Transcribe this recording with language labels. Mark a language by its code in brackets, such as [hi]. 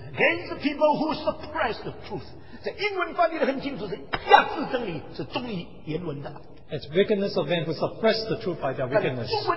[en] against people who suppress the truth. [zh] 在英文翻译的很清楚是压制真理是忠于原文的。 [en] It's wickedness of men who suppress the truth by their wickedness.